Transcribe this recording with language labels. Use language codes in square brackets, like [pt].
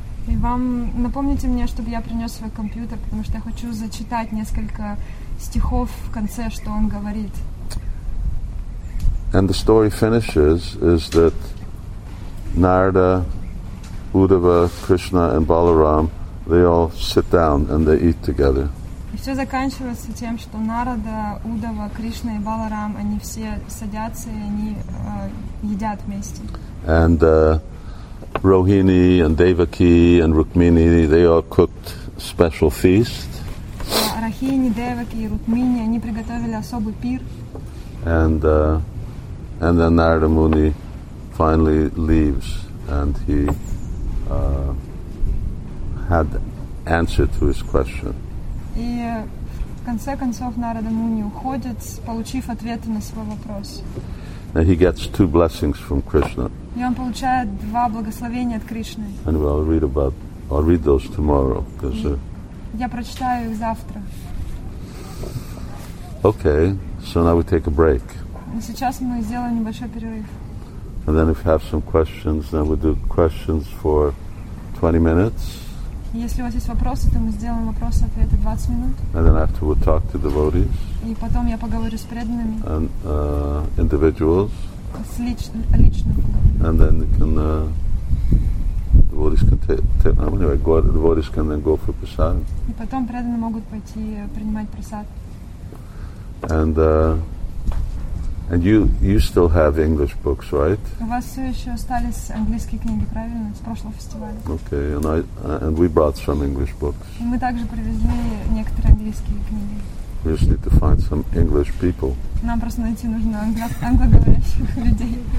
[ru] И вам напомните мне, чтобы я принес свой компьютер, потому что я хочу зачитать несколько стихов в конце, что он говорит. [en] And the story finishes is that Narada, Uddhava, Krishna and Balaram, they all sit down and they eat together. [ru] И все заканчивается тем, что Нарада, Уддхава, Кришна и Баларам, они все садятся и они едят вместе. [en] And Rohini and Devaki and Rukmini, they all cooked special feast. [ru] Рахини, Деваки и Рукмини, они приготовили особый пир. [en] And then Narada Muni finally leaves, and he had answer to his question. [ru] И в конце концов Нарада Муни уходит, получив ответы на свой вопрос. [en] And he gets two blessings from Krishna. [ru] И он получает два благословения от Кришны. [en] And we'll read about, I'll read those tomorrow, because. [ru] Я прочитаю их завтра. [en] Okay, so now we take a break. [ru] И сейчас мы сделаем небольшой перерыв. [en] And then if you have some questions, then we do questions for 20 minutes. [ru] Если у вас есть вопросы, то мы сделаем вопросы-ответы 20 минут. [en] And then after we'll talk to devotees. [ru] И потом я поговорю с преданными. [en] And individuals. [ru] С лично. [en] And then you can, devotees can take anyway, go, devotees can then go for prasad. [ru] И потом преданные могут пойти принимать прасад. [en] And and you still have English books, right? [ru] У вас все еще остались английские книги, правильно, с прошлого фестиваля? [en] Okay, and I and we brought some English books. [ru] И мы также привезли некоторые английские книги. [en] We just need to find some English people. [ru] Нам просто найти нужно англоговорящих людей.